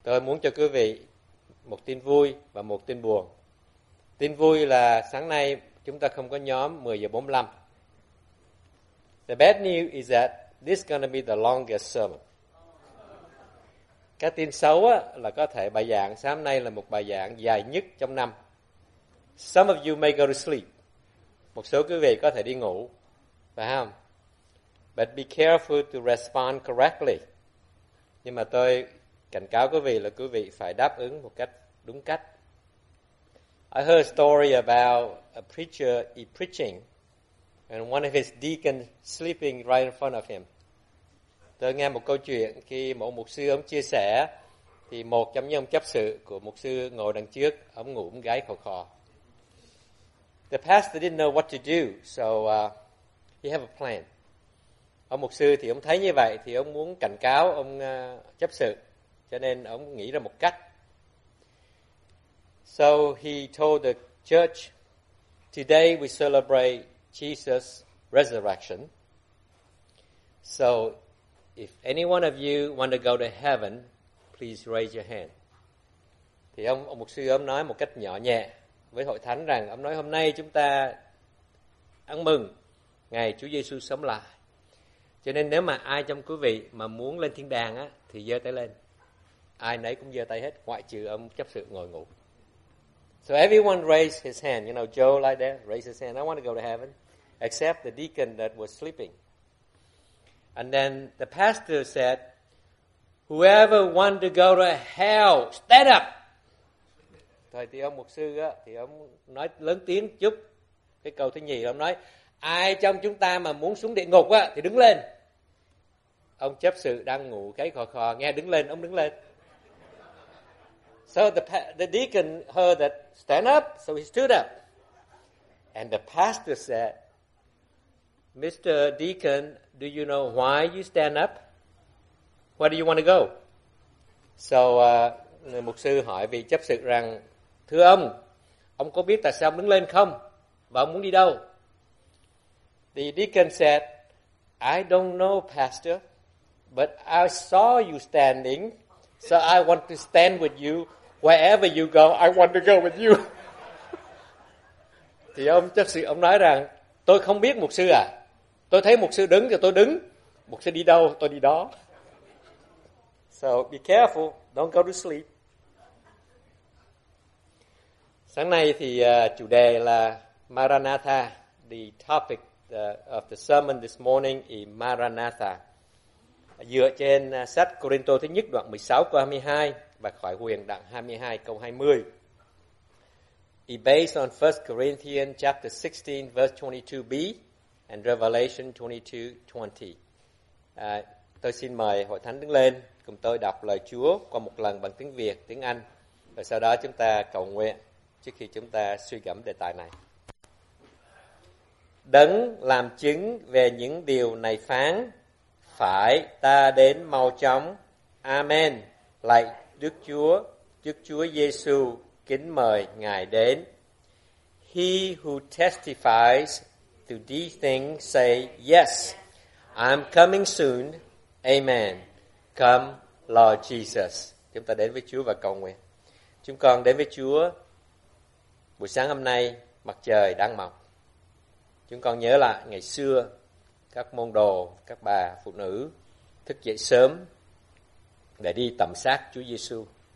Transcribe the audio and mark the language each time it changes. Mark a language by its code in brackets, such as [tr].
[vi] Tôi muốn cho quý vị một tin vui và một tin buồn. Tin vui là sáng nay chúng ta không có nhóm 10:45. [en] The bad news is that this is going to be the longest sermon. [vi] Cái tin xấu là có thể bài giảng sáng nay là một bài giảng dài nhất trong năm. [en] Some of you may go to sleep. [vi] Một số quý vị có thể đi ngủ. Phải không? [en] But be careful to respond correctly. [vi] Nhưng mà tôi cảnh cáo quý vị là quý vị phải đáp ứng một cách đúng cách. [en] I heard a story about a preacher preaching and one of his deacons sleeping right in front of him. [vi] Tôi nghe một câu chuyện khi một mục sư ông chia sẻ thì một trong những ông chấp sự của mục sư ngồi đằng trước, ông ngủ ông gái khò khò. [en] The pastor didn't know what to do, so he had a plan. [vi] Ông mục sư thì ông thấy như vậy thì ông muốn cảnh cáo ông chấp sự. Cho nên ông nghĩ ra một cách. [en] So he told the church, today we celebrate Jesus' resurrection. So if any one of you want to go to heaven, please raise your hand. [vi] Thì ông mục sư ông nói một cách nhỏ nhẹ với hội thánh rằng, ông nói hôm nay chúng ta ăn mừng ngày Chúa Giêsu sống lại. Cho nên nếu mà ai trong quý vị mà muốn lên thiên đàng á, thì giơ tay lên. Ai nấy cũng giơ tay hết, ngoại trừ ông chấp sự ngồi ngủ. [en] So everyone raised his hand. You know, Joe like that, raised his hand. I want to go to heaven. Except the deacon that was sleeping. And then the pastor said, whoever want to go to hell, stand up. [vi] Thôi thì ông mục sư á, thì ông nói lớn tiếng chút. Cái câu thứ nhì, ông nói, ai trong chúng ta mà muốn xuống địa ngục á, thì đứng lên. Ông chấp sự đang ngủ cái khò khò, nghe đứng lên, ông đứng lên. [en] So the deacon heard that, stand up, so he stood up. And the pastor said, Mr. Deacon, do you know why you stand up? Where do you want to go? [vi] So, người mục sư hỏi vị chấp sự rằng, thưa ông có biết tại sao ông đứng lên không? Và ông muốn đi đâu? [en] The deacon said, I don't know, pastor, but I saw you standing, so I want to stand with you. Wherever you go, I want to go with you. [vi] Thì ông chấp sự ông nói rằng, tôi không biết mục sư à. Tôi thấy mục sư đứng thì tôi đứng. Mục sư đi đâu, tôi đi đó. [en] So be careful, don't go to sleep. [vi] Sáng nay thì chủ đề là Maranatha. [en] The topic of the sermon this morning is Maranatha. [vi] Dựa trên sách Corinto thứ nhất đoạn 16 câu 22. Và khỏi huyền đoạn 22 câu 20. [en] It based on 1 Corinthians chapter 16 verse 22b and Revelation 22:20. [vi] Tôi xin mời hội thánh đứng lên cùng tôi đọc lời Chúa qua một lần bằng tiếng Việt, tiếng Anh. Và sau đó chúng ta cầu nguyện trước khi chúng ta suy gẫm đề tài này. Đấng làm chứng về những điều này phán, phải ta đến mau chóng. Amen. Lạy Đức Chúa Giêsu kính mời Ngài đến. [en] He who testifies to these things say, yes, I'm coming soon. Amen. Come, Lord Jesus. [vi] Chúng ta đến với Chúa và cầu nguyện. Chúng con đến với Chúa buổi sáng hôm nay, mặt trời đang mọc. Chúng con nhớ lại ngày xưa, các môn đồ, các bà, phụ nữ thức dậy sớm để đi tẩm xác Chúa Giêsu.